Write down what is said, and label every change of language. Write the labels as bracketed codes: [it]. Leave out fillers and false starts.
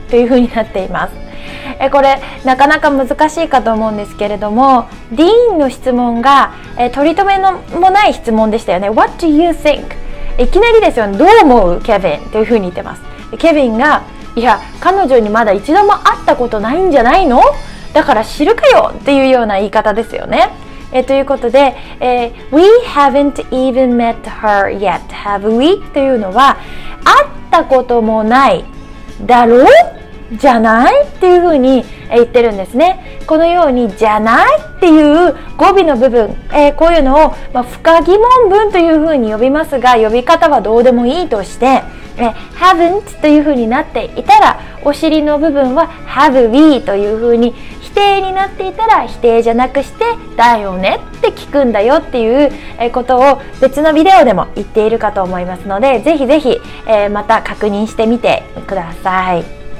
[ja] というふうになっています。これなかなか難しいかと思うんですけれども、ディーンの質問が取り留めのもない質問でしたよね。 [en] What do you think? [ja] いきなりですよね。どう思うケビンというふうに言ってます。ケビンが、いや彼女にまだ一度も会ったことないんじゃないの、だから知るかよっていうような言い方ですよね。ということで、 [en] We haven't even met her yet, have we? [ja] というのは、会ったこともないだろう?じゃない? っていうふうに言ってるんですね。このように、じゃないっていう語尾の部分、こういうのを、まあ、不可疑問文というふうに呼びますが、呼び方はどうでもいいとして、haven't というふうになっていたら、お尻の部分は have we というふうに否定になっていたら、否定じゃなくしてだよねって聞くんだよっていうことを別のビデオでも言っているかと思いますので、ぜひぜひまた確認してみてください。